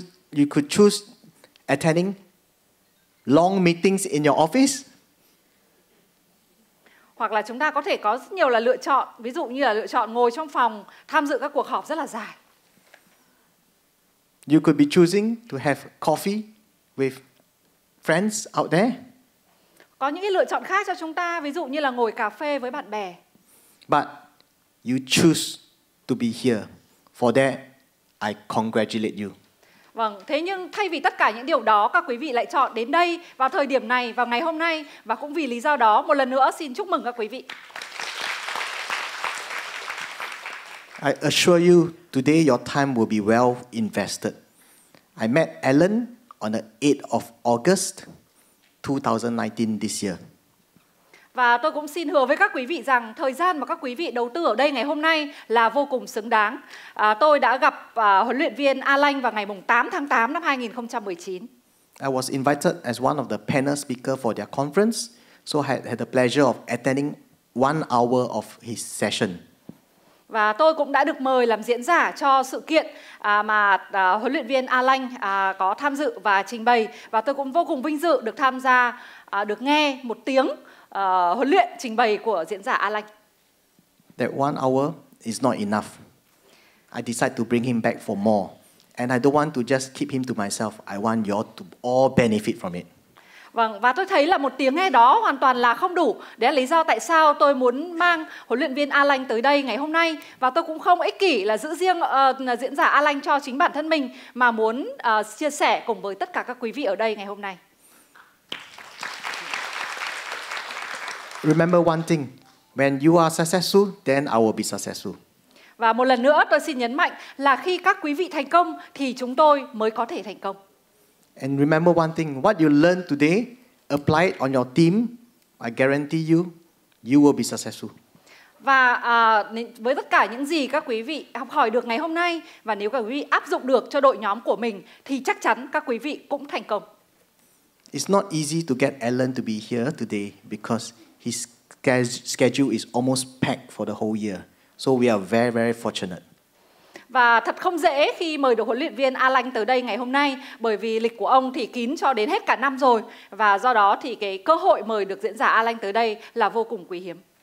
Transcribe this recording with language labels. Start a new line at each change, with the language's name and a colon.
English: You could choose attending long meetings in your office.
Vietnamese: Hoặc là chúng ta có thể có rất nhiều là lựa chọn, ví dụ như là lựa chọn ngồi trong phòng, tham dự các cuộc họp rất là dài.
English: You could be choosing to have coffee with friends out there.
Vietnamese: Có những cái lựa chọn khác cho chúng ta, ví dụ như là ngồi cà phê với bạn bè.
English: But you choose to be here. For that, I congratulate you.
Vietnamese: Vâng, thế nhưng thay vì tất cả những điều đó, các quý vị lại chọn đến đây vào thời điểm này, vào ngày hôm nay. Và cũng vì lý do đó, một lần nữa xin chúc mừng các quý vị.
English: I assure you, today your time will be well invested. I met Alan on the 8th of August. 2019 this year.
Vietnamese: Và tôi cũng xin hứa với các quý vị rằng thời gian mà các quý vị đầu tư ở đây ngày hôm nay là vô cùng xứng đáng. Tôi đã gặp huấn luyện viên Alan vào ngày 8 tháng 8 năm 2019.
English: I was invited as one of the panel speaker for their conference, so I had the pleasure of attending 1 hour of his session.
Vietnamese: Và tôi cũng đã được mời làm diễn giả cho sự kiện mà huấn luyện viên Alan có tham dự và trình bày. Và tôi cũng vô cùng vinh dự được tham gia, được nghe một tiếng huấn luyện trình bày của diễn giả Alan.
English: That 1 hour is not enough. I decide to bring him back for more. And I don't want to just keep him to myself. I want you all to all benefit from it.
Vietnamese: Vâng, và tôi thấy là một tiếng nghe đó hoàn toàn là không đủ. Đấy là lý do tại sao tôi muốn mang huấn luyện viên Alan tới đây ngày hôm nay. Và tôi cũng không ích kỷ là giữ riêng diễn giả Alan cho chính bản thân mình, mà muốn chia sẻ cùng với tất cả các quý vị ở đây ngày hôm nay.
English: Remember one thing, when you are successful, then I will be successful.
Vietnamese: Và một lần nữa tôi xin nhấn mạnh là khi các quý vị thành công thì chúng tôi mới có thể thành công.
English: And remember one thing, what you learn today, apply it on your team, I guarantee you, you will be successful.
Vietnamese: Và với tất cả những gì các quý vị học hỏi được ngày hôm nay, và nếu các quý vị áp dụng được cho đội nhóm của mình, thì chắc chắn các quý vị cũng thành công.
English: It's not easy to get Alan to be here today because his schedule is almost packed for the whole year. So we are very, very fortunate.
Vietnamese: Và thật không dễ khi mời được huấn luyện viên Alan tới đây ngày hôm nay, bởi vì lịch của ông thì kín cho đến hết cả năm rồi, và do đó thì cái cơ hội mời được diễn giả Alan tới đây là vô cùng quý hiếm.